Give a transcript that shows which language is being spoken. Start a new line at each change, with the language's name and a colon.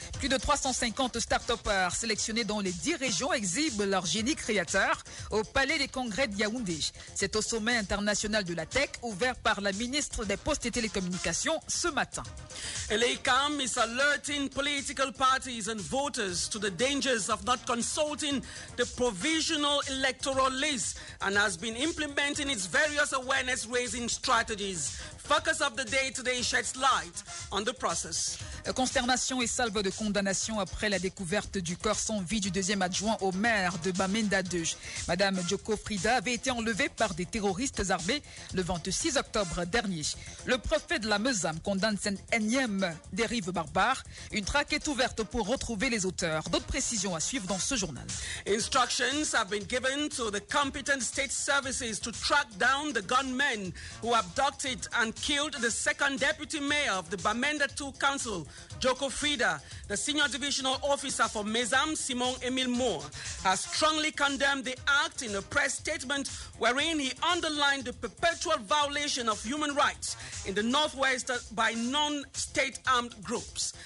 French: Plus de 350 start-upers sélectionnés dans les 10 régions exhibent leur génie créateur au Palais des Congrès de Yaoundé. C'est au sommet international de la tech ouvert par la ministre des Postes et Télécommunications ce matin.
English: L'ECAM is alerting political parties and voters to the dangers of not consulting the provisional electoral list and has been implementing its various awareness-raising strategies. Focus of the day today sheds light on the process.
French: Consternation et salve de condamnation après la découverte du corps sans vie du deuxième adjoint au maire de Bamenda 2. Madame Joko Frida avait été enlevée par des terroristes armés le 26 octobre dernier. Le préfet de la Meuse condamne cette énième dérive barbare. Une traque est ouverte pour retrouver les auteurs. D'autres précisions à suivre dans ce journal.
English: Instructions have been given to the competent state services to track down the gunmen who abducted and killed the second deputy mayor of the Bamenda 2 council, Joko Frida. The senior divisional officer for Mezam, Simon Emil Moore, has strongly condemned the act in a press statement wherein he underlined the perpetual violation of human rights in the Northwest by non-state armed groups.